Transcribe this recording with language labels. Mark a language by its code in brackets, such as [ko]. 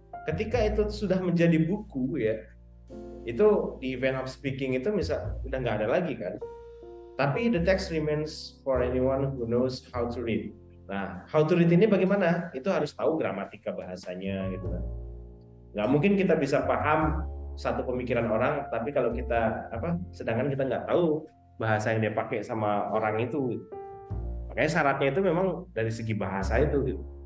[id] Ketika itu sudah menjadi buku ya, itu di [en] event of speaking [id] itu misal udah nggak ada lagi kan. Tapi [en] the text remains for anyone who knows how to read. [id] Nah, [en] how to read [id] ini bagaimana? Itu harus tahu gramatika bahasanya gitu kan. Nggak mungkin kita bisa paham satu pemikiran orang, tapi kalau kita apa, sedangkan kita nggak tahu bahasa yang dia pakai sama orang itu. Makanya syaratnya itu memang dari segi bahasa itu.